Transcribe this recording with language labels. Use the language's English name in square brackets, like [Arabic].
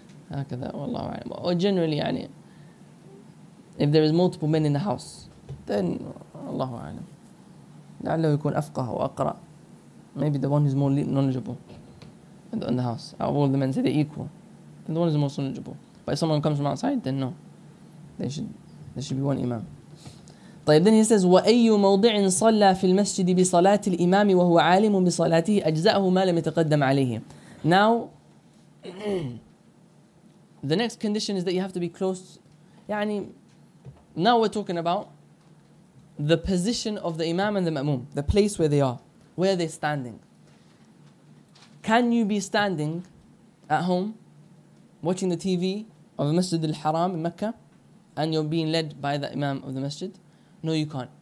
[Arabic] هكذا والله أعلم. [English] Or generally, يعني, if there is multiple men in the house, then الله أعلم. [Arabic] لعله يكون أفقه وأقرأ. [English] Maybe the one who's more knowledgeable in the house. Out of all the men, say they're equal. Then the one who's most knowledgeable. But if someone comes from outside, then no. There should be one imam. [Arabic] طيب, [English] then he says, [Arabic] وأي موضع صلى في المسجد بصلاة الإمام وهو عالم بصلاته أجزأه ما لم يتقدم عليه. [English] Now. The next condition is that you have to be close. يعني, now we're talking about the position of the imam and the ma'moom, the place where they are, where are they standing. Can you be standing at home watching the TV of the Masjid al-Haram in Mecca and you're being led by the imam of the masjid? No, you can't.